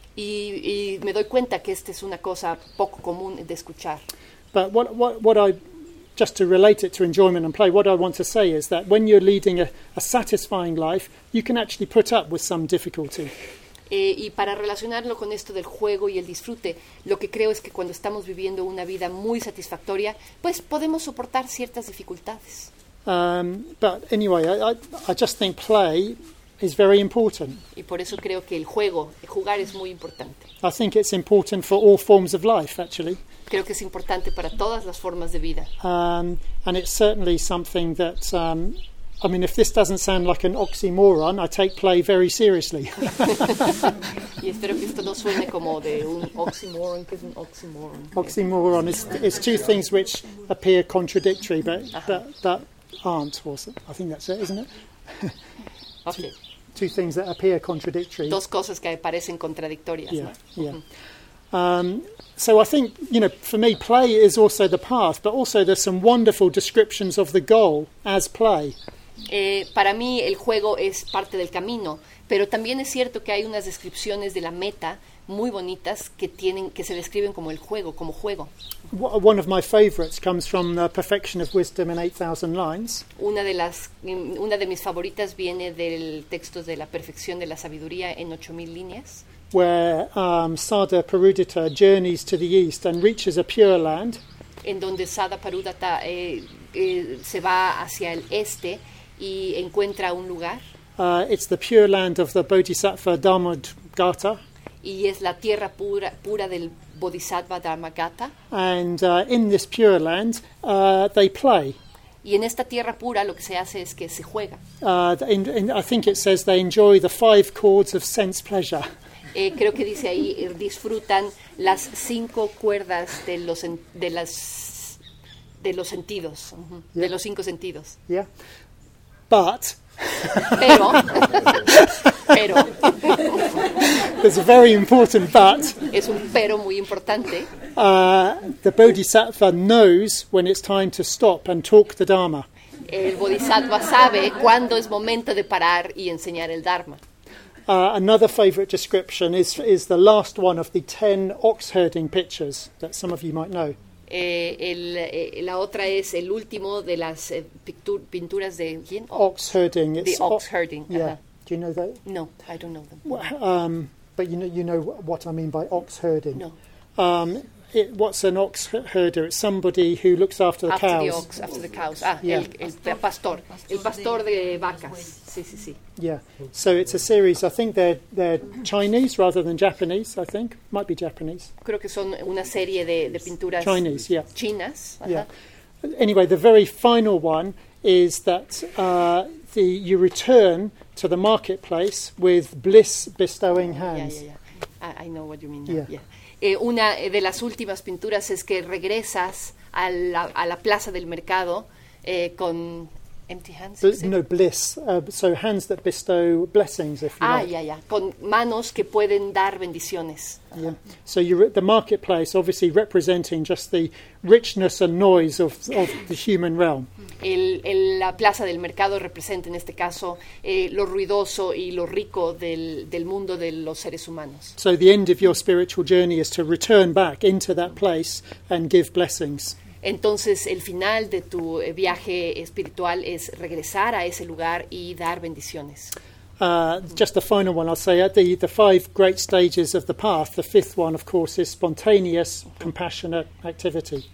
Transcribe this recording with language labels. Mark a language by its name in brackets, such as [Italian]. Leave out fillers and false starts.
[Spanish] Y me doy cuenta que esta es una cosa poco común de escuchar. [English] But what I, just to relate it to enjoyment and play, what I want to say is that when you're leading a satisfying life, you can actually put up with some difficulty. [Spanish] Y para relacionarlo con esto del juego y el disfrute, lo que creo es que cuando estamos viviendo una vida muy satisfactoria, pues podemos soportar ciertas dificultades. [English] But anyway, I just think play is very important. [Spanish] Y por eso creo que el juego, jugar es muy importante. [English] I think it's important for all forms of life, actually. [Spanish] Creo que es importante para todas las formas de vida. [English] And it's certainly something that I mean, if this doesn't sound like an oxymoron, I take play very seriously. [Spanish] Y espero que esto no suene como de un oxymoron, que es un oxymoron. [English] Oxymoron is it's two things which appear contradictory, but that aren't. I think that's it, isn't it? Okay. Two things that appear contradictory. [Spanish] Dos cosas que parecen contradictorias. [English] Yeah. [Spanish] ¿No? [English] Yeah. So I think, you know, for me, play is also the path, but also there's some wonderful descriptions of the goal as play. [Spanish] Para mí el juego es parte del camino, pero también es cierto que hay unas descripciones de la meta muy bonitas que se describen como el juego, como juego. [English] One of my favorites comes from The Perfection of Wisdom in 8,000 Lines. [Spanish] Una de mis favoritas viene del texto de La Perfección de la Sabiduría en 8,000 Líneas. [English] Where Sada Parudita journeys to the east and reaches a pure land. [Spanish] En donde Sada Parudita se va hacia el este y encuentra un lugar. [English] It's the pure land of the Bodhisattva Dharmagata. [Spanish] Y es la tierra pura del Bodhisattva Dharmagata. [English] And in this pure land, they play. [Spanish] Y en esta tierra pura lo que se hace es que se juega. [English] I think it says they enjoy the five chords of sense pleasure. [Spanish] Creo que dice ahí, disfrutan las cinco cuerdas de los sentidos, yeah. De los cinco sentidos. [English] Yeah. But. [Spanish] Pero. Pero. [English] There's a very important but. [Spanish] Es un pero muy importante. [English] The Bodhisattva knows when it's time to stop and talk the Dharma. [Spanish] El Bodhisattva sabe cuándo es momento de parar y enseñar el Dharma. [English] Another favorite description is the last one of the 10 ox herding pictures that some of you might know. [Spanish] La otra es el último de las pinturas de ¿quién? [English] Ox herding. Ox herding. Yeah. Uh-huh. Do you know that? No, I don't know them. But you know what I mean by ox herding. No. What's an ox herder? It's somebody who looks after the after cows. After the cows. Ah, yeah. [Spanish] El pastor de vacas. Sí. [English] Yeah. So it's a series. I think they're Chinese rather than Japanese, I think. Might be Japanese. [Spanish] Creo que son una serie de pinturas [English] Chinese, yeah. [Spanish] Chinas. Uh-huh. [English] Yeah. Anyway, the very final one is that you return to the marketplace with bliss bestowing hands. Yeah. I know what you mean now. Yeah. [Spanish] Una de las últimas pinturas es que regresas a la plaza del mercado con [English] empty hands. No, bliss. So hands that bestow blessings, if you like. [Spanish] ya, ya. Con manos que pueden dar bendiciones. [English] Yeah. So you're at the marketplace, obviously representing just the richness and noise of the human realm. [Spanish] La plaza del mercado representa, en este caso, lo ruidoso y lo rico del mundo de los seres humanos. [English] So the end of your spiritual journey is to return back into that place and give blessings. [Spanish] Entonces, el final de tu viaje espiritual es regresar a ese lugar y dar bendiciones. [English] Just the final one, I'll say, the five great stages of the path, the fifth one, of course, is spontaneous, compassionate activity.